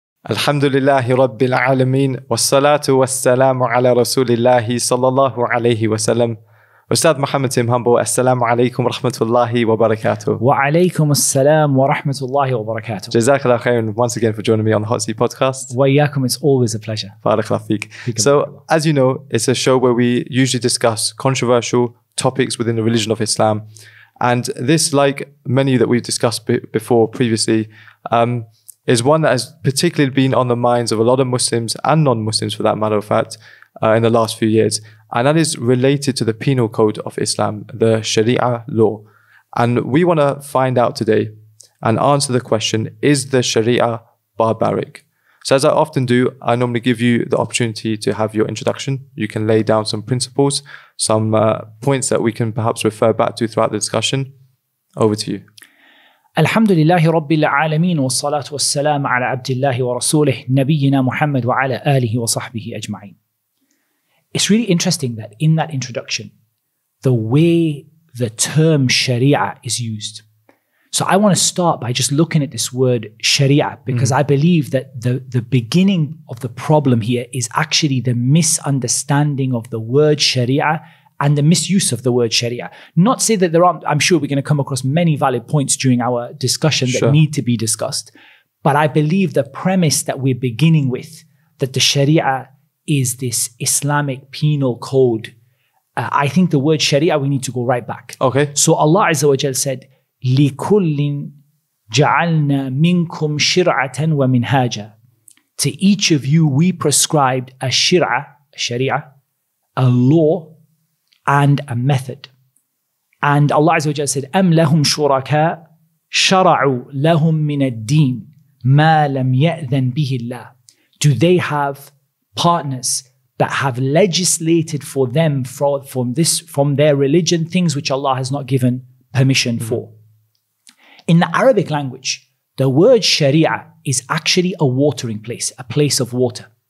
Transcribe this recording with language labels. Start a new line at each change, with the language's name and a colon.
Arabic: الحمد لله رب العالمين والصلاة والسلام على رسول الله صلى الله عليه وسلم. أستاذ محمد سيمهامبو, السلام عليكم ورحمة الله وبركاته. وعليكم السلام ورحمة الله وبركاته. جزاك الله خير
English: once again for joining me on the Hot Seat podcast.
Arabic: وياكم,
English: it's always a pleasure.
Arabic: بارك الله فيك.
English: So as you know, it's a show where we usually discuss controversial topics within the religion of Islam. And this, like many that we've discussed before previously, is one that has particularly been on the minds of a lot of Muslims and non-Muslims, for that matter of fact, in the last few years. And that is related to the penal code of Islam, the Sharia law. And we want to find out today and answer the question, is the Sharia barbaric? So as I often do, I normally give you the opportunity to have your introduction. You can lay down some principles, some points that we can perhaps refer back to throughout the discussion. Over to you.
Arabic: الحمد لله رب العالمين والصلاة والسلام على عبد الله ورسوله نبينا محمد وعلى آله وصحبه أجمعين.
English: It's really interesting that in that introduction, the way the term Sharia is used. So I want to start by just looking at this word Sharia, because I believe that the beginning of the problem here is actually the misunderstanding of the word Sharia and the misuse of the word Sharia. Not say that there aren't, I'm sure we're going to come across many valid points during our discussion that need to be discussed. But I believe the premise that we're beginning with, that the Sharia is this Islamic penal code, I think the word Sharia, we need to go right back. Okay. So Allah Azza wa Jal said,
Arabic: لِكُلِّن جَعَلْنَا مِنْكُمْ شِرْعَةً وَمِنْهَاجًا.
English: To each of you, we prescribed a shari'a, Sharia, a law, and a method. And Allah Azza wa Jalla said,
Arabic: أَمْ لَهُمْ شُرَكَاءُ شَرَعُوا لَهُمْ مِنَ الدِّينِ مَا لَمْ يَأْذَنْ بِهِ اللَّهِ.
English: Do they have partners that have legislated for them from their religion things which Allah has not given permission for? In the Arabic language, the word Sharia is actually a watering place, a place of water.